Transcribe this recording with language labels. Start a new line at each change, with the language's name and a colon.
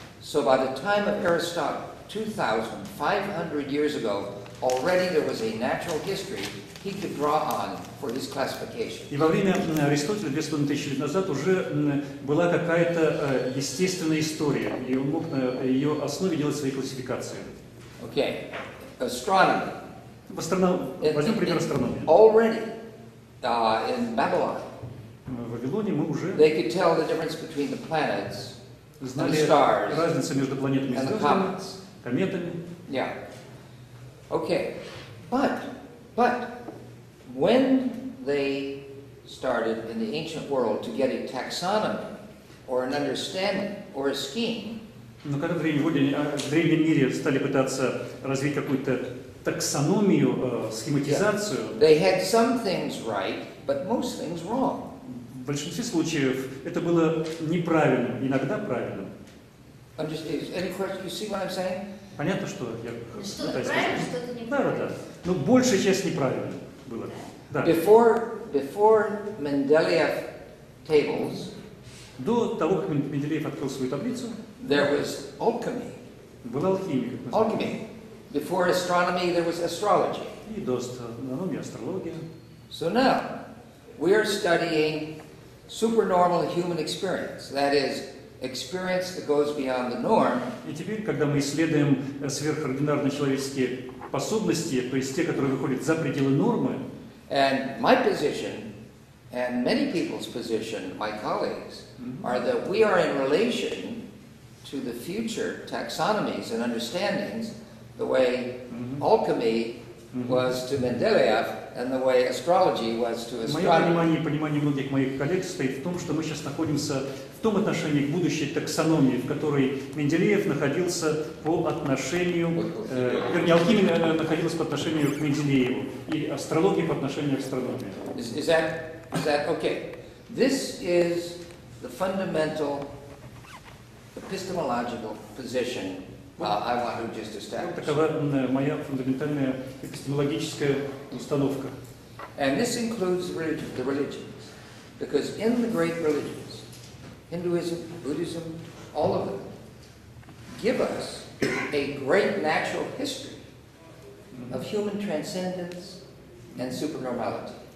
English: So by the time of Aristotle, 2,500 years ago. Already there was a natural history he could draw on for his classification.
Russian: И во время Аристотеля 2500 лет назад уже была какая-то естественная история, и он мог на ее основе делать свои классификации.
English: Okay, astronomy.
Russian: Возьмем пример астрономии.
English: Already, in Babylon.
Russian: В Вавилоне мы уже.
English: They could tell the difference between the planets, the stars,
Russian: разница между планетами и звездами, кометами.
English: Yeah. Okay, but when they started in the ancient world to get a taxonomy or an understanding or a scheme.
Russian: Но когда в древнем мире стали пытаться развить какую-то таксономию, схематизацию.
English: Yeah. They had some things right, but most things wrong.
Russian: В большинстве случаев это было неправильно, иногда правильно.
English: Any question? You see what I'm saying?
Russian: Понятно, что я пытаюсь сказать. Да. Но большая часть неправильно было. Да.
English: Before Mendeleev tables.
Russian: До того, как Менделеев открыл свою таблицу.
English: There was alchemy.
Russian: Была алхимия, как мы знаем.
English: Alchemy. Before astronomy, there was astrology.
Russian: И до астрономии астрология.
English: So now, we are studying supernormal human experience. That is. Experience that goes beyond the norm.
Russian: И теперь, когда мы исследуем сверхординарные человеческие способности, то есть те, которые выходят за пределы нормы.
English: And my position, and many people's position, my colleagues, mm-hmm. are that we are in relation to the future taxonomies and understandings, the way mm-hmm. alchemy mm-hmm. was to Mendeleev. And the way astrology was to astronomy.
Russian: Мое понимание и понимание многих моих коллег состоит в том, что мы сейчас находимся в том отношении к будущей таксономии, в которой Менделеев находился по отношению, вернее, алхимия находилась по отношению к Менделееву и астрология по отношению к астрономии.
English: Is that okay? This is the fundamental epistemological position I want to just establish.
Russian: Вот такова моя фундаментальная эпистемологическая установка.
English: And this includes the religions, because in the great religions, Hinduism, Buddhism, all of them, give us a great natural history of human transcendence and supernormality.